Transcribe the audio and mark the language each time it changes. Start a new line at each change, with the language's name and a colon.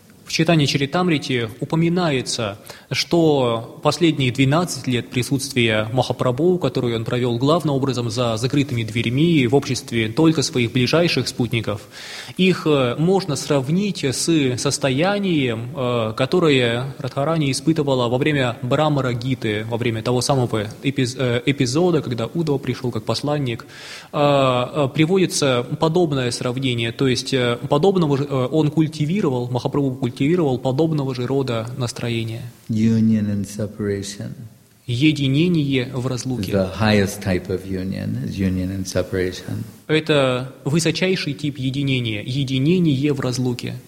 Russian: В читании Чаритамрити упоминается, что последние 12 лет присутствия Махапрабху, которые он провел главным образом за закрытыми дверьми в обществе только своих ближайших спутников, их можно сравнить с состоянием, которое Радхарани испытывала во время Брамара Гиты, во время того самого эпизода, когда Удва пришел как посланник. Приводится подобное сравнение, то есть подобного он культивировал, Махапрабху культивировал подобного же рода настроения.
English: Union and separation.
Russian: Единение в разлуке.
English: The highest type of union is union and separation.
Russian: Это высочайший тип единения, единение в разлуке.